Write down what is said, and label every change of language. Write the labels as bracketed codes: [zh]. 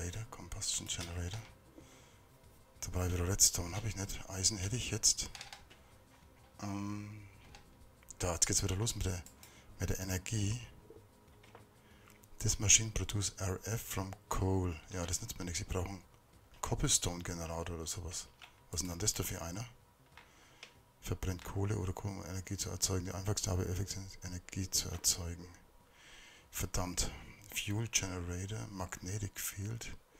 [de] Combustion Generator. Dabei wieder Redstone habe ich nicht. Eisen hätte ich jetzt. Da, jetzt geht's wieder los mit der Energie. [en] This machine produces RF from coal. [de] Ja, das nützt mir nichts. Ich brauche einen Cobblestone-Generator oder sowas. Was ist denn das da für einer? Verbrennt Kohle oder Kohle, um Energie zu erzeugen. Die einfachste aber effizient Energie zu erzeugen. Verdammt. Fuel Generator, Magnetic Field.